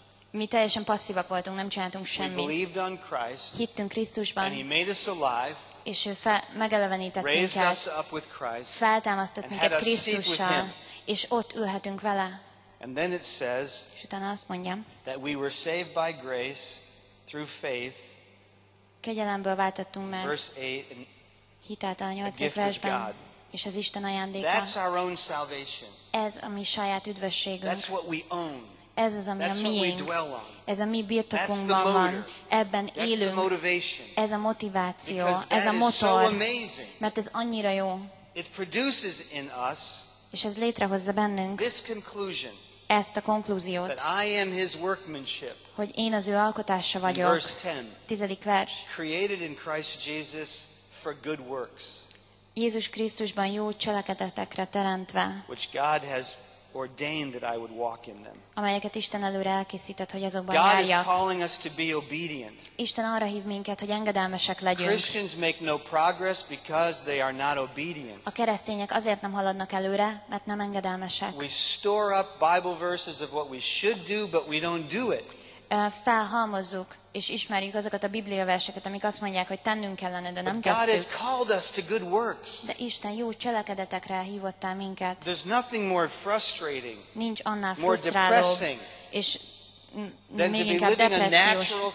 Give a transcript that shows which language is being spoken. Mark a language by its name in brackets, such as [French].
[Hungarian] Mi teljesen passzívak voltunk, nem csináltunk semmit. Hittünk Krisztusban, és ő megelevenített minket, feltámasztott minket Krisztussal, és ott ülhetünk vele. [English] And then it says, [Hungarian] és utána azt mondja, [English] that we were saved by grace through faith, [Hungarian] kegyelemből váltottunk meg, [English] verse 8, and [Hungarian] hitáltal a 8. versben, és ez Isten ajándéka. [English] That's our own salvation. [Hungarian] Ez a mi saját üdvösségünk. [English] That's what we own. [Hungarian] Ez az, ami [English] that's [Hungarian] a miénk. Ez a mi birtokunkban van, ebben élünk. Ez a motiváció, ez a motor, [English] so [Hungarian] mert ez annyira jó. [English] It produces in us, [Hungarian] és ez létrehozza bennünk [English] this conclusion, [Hungarian] ezt a konklúziót, [English] that I am his workmanship, [Hungarian] hogy én az ő alkotása vagyok. [English] Verse 10, [Hungarian] 10. vers. [English] Created in Christ Jesus for good works, [Hungarian] Jézus Krisztusban jó cselekedetekre teremtve, [English] which God has ordained that I would walk in them. [Hungarian] Amelyeket Isten előre elkészített, hogy azokban [English] God [Hungarian] járjak. [English] God is calling us to be obedient. [Hungarian] Isten arra hív minket, hogy engedelmesek legyünk. [English] Christians make no progress because they are not obedient. [Hungarian] A keresztények azért nem haladnak előre, mert nem engedelmesek. [English] We store up Bible verses of what we should do, but we don't do it. [Hungarian] Felhalmozzuk és ismerjük azokat a Biblia verseket, amik azt mondják, hogy tennünk kellene, de nem tesszük. De Isten jó cselekedetekre hívott el minket. [English] There's nothing more frustrating, [Hungarian] nincs annál frusztrálóbb, és még inkább depressziós.